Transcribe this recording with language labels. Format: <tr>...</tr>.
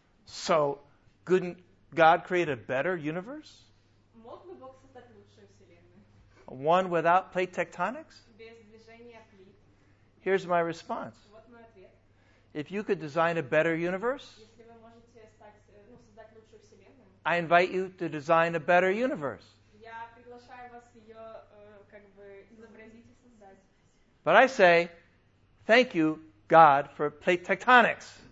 <en>So, couldn't God create a better universe?</en> <ru>Мог бы Бог создать лучшую вселенную?</ru> <en>One without plate tectonics?</en> <ru>Без движения плит.</ru> <en>Here's my response.</en> <ru>Вот мой ответ.</ru> <en>If you could design a better universe,</en> <ru>если вы можете стать, ну, создать лучшую вселенную,</ru> <en>I invite you to design a better universe.</en> <ru>Я приглашаю вас ее, как бы изобразить и создать.</ru> <en>But I say, thank you, God, for plate tectonics.</en>